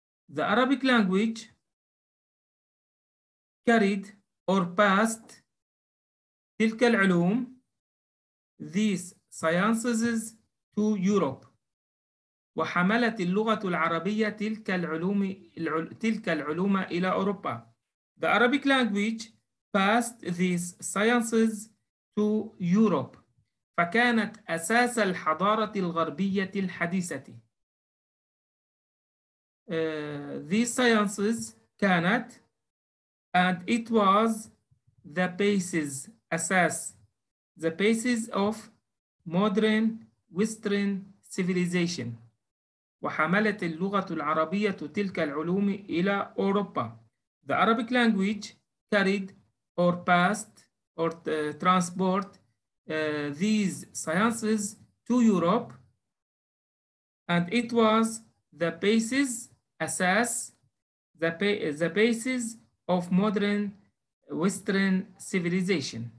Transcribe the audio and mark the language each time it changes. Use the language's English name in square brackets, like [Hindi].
[English] The Arabic language carried or passed [Arabic] تلك العلوم [English] these sciences to Europe. [Arabic] وحملت اللغة العربية تلك العلوم إلى أوروبا. [English] The Arabic language passed these sciences to Europe. [Arabic] فكانت أساس الحضارة الغربية الحديثة. [English] These sciences كانت and it was the basis, أساس, the basis of modern Western civilization. [Arabic] وحملت اللغة العربية تلك العلوم إلى أوروبا. [English] The Arabic language carried or passed or transport these sciences to Europe, and it was the basis, assess the basis of modern Western civilization.